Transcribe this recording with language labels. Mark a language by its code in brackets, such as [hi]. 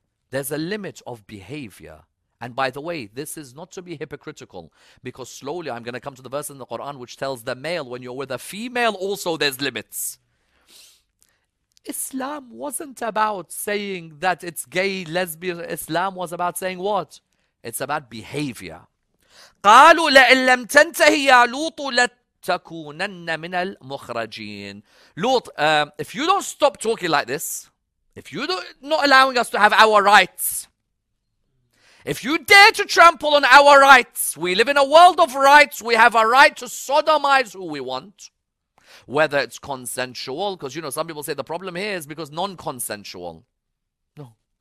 [en] There's a limit of behavior. And by the way, this is not to be hypocritical, because slowly I'm going to come to the verse in the Quran which tells the male, when you're with a female, also there's limits. Islam wasn't about saying that it's gay, lesbian. Islam was about saying what? It's about behavior. [ar] قالوا لئن لم تنتهي يا لوط لتكونن من المخرجين. [en] Lut, if you don't stop talking like this, if you're not allowing us to have our rights, if you dare to trample on our rights, we live in a world of rights, we have a right to sodomize who we want, whether it's consensual, because you know some people say the problem here is because non-consensual. No.